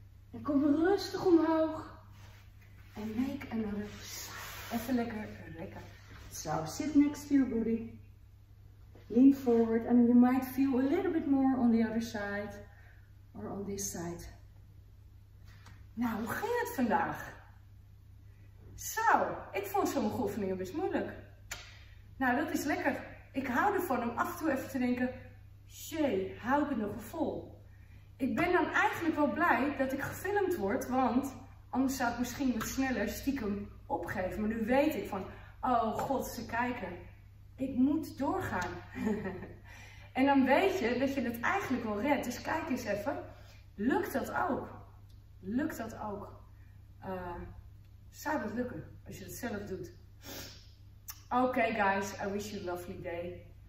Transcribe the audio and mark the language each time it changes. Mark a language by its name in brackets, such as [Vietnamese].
[Dutch] En kom rustig omhoog. En [English] make another side. [Dutch] Even lekker rekken. [English] So, sit next to your booty. Lean forward and you might feel a little bit more on the other side. Or on this side. [Dutch] Nou, hoe ging het vandaag? Zo, ik vond sommige oefeningen best moeilijk. Nou, dat is lekker. Ik hou ervan om af en toe even te denken, jee, hou ik het nog vol? Ik ben dan eigenlijk wel blij dat ik gefilmd word, want anders zou ik misschien wat sneller stiekem opgeven. Maar nu weet ik van, oh god, ze kijken. Ik moet doorgaan. En dan weet je dat je het eigenlijk wel redt. Dus kijk eens even, lukt dat ook? Lukt dat ook? Zou dat lukken als je het zelf doet? [English] Okay, guys, I wish you a lovely day.